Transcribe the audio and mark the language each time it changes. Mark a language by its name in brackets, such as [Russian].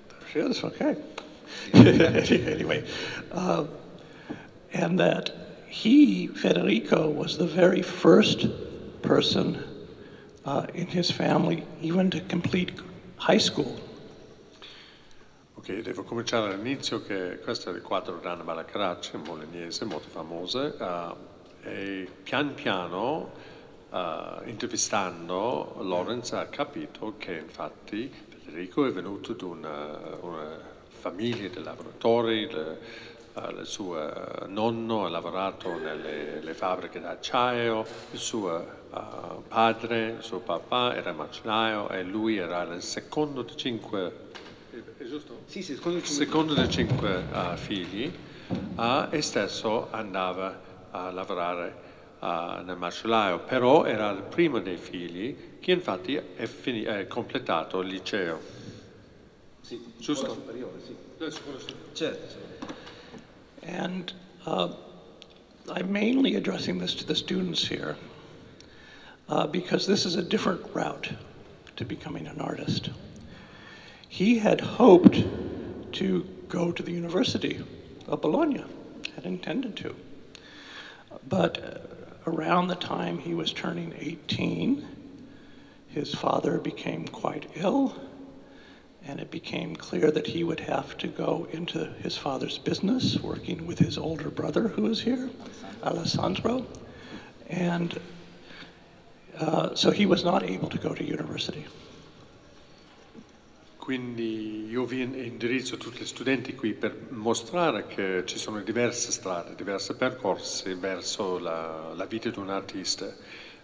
[English] She is, okay. Anyway, and that he, Federico, was the very first person in his family even to complete high school. [Italian] Ok, devo cominciare all'inizio, che questo è il quadro di Anna Malacarace, molinese, molto famosa, e pian piano, intervistando, Lawrence ha capito che infatti Federico è venuto da una famiglia di lavoratori, il suo nonno ha lavorato nelle fabbriche d'acciaio, il suo padre, il suo papà era macellaio e lui era il secondo di cinque. Secondo dei cinque figli, e stesso andava a lavorare nel macellaio, però era il primo dei figli che infatti è completato il liceo. Sì, giusto? Scuola superiore. [English] And I'm mainly addressing this to the students here, because this is a different route to becoming an artist. He had hoped to go to the University of Bologna, had intended to. But around the time he was turning 18, his father became quite ill, and it became clear that he would have to go into his father's business, working with his older brother who is here, Alessandro. And so he was not able to go to university. [Italian] Quindi io vi indirizzo tutti gli studenti qui per mostrare che ci sono diverse strade, diversi percorsi verso la vita di un artista.